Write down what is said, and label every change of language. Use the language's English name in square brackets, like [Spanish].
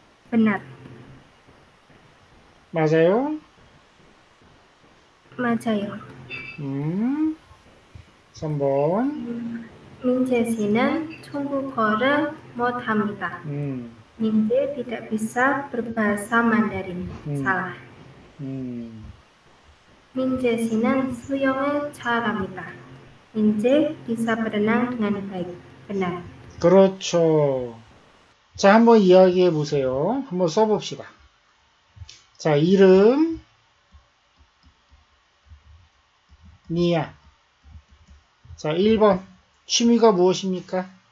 [Korean] 끝나. 맞아요? 맞아요. 3번. 민재 씨는 중국어를 못합니다. [Indonesian] 민재 tidak bisa berbahasa Mandarin. 살아. [Korean] 민재 씨는 수영을 잘합니다. [Indonesian] 민재 bisa berenang dengan baik. [Korean] 끝나. 그렇죠. 자, 한번 이야기해 보세요. 한번 써봅시다. 자, 이름 니아. 자, 1번 취미가 무엇입니까?